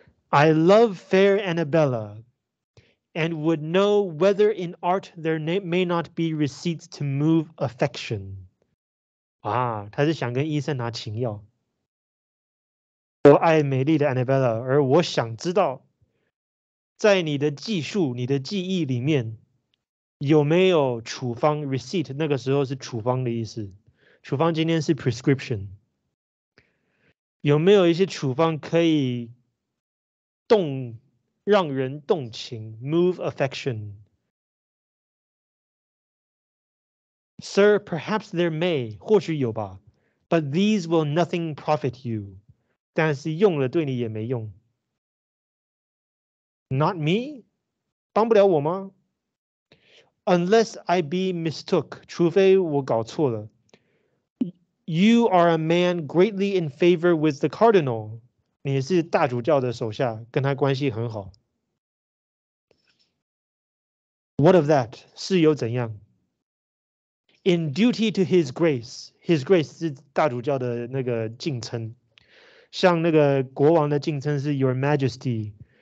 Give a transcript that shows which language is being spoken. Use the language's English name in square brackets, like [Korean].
[English] I love fair Annabella, and would know whether in art there may not be receipts to move affection。 [Chinese] 啊，他是想跟医生拿情药。我爱美丽的 Annabella， 而我想知道。在你的技术、你的技艺里面，有没有处方 receipt？那个时候是处方的意思，处方今天是 prescription。有没有一些处方可以动，让人动情 ， [English] move affection？ Sir, perhaps there may， [Chinese] 或许有吧。 [English] But these will nothing profit you， [Chinese] 但是用了对你也没用。 [English] Not me? [Chinese] 帮不了我吗 [English] ？Unless I be mistook, [Chinese] 除非我搞错了。 [English] You are a man greatly in favor with the cardinal. [Chinese] 你是大主教的手下，跟他关系很好。 [English] What of that? [Chinese] 是又怎样 ？ [English] In duty to his grace, [Chinese] his grace 是大主教的那个敬称，像那个国王的敬称是 Your Majesty。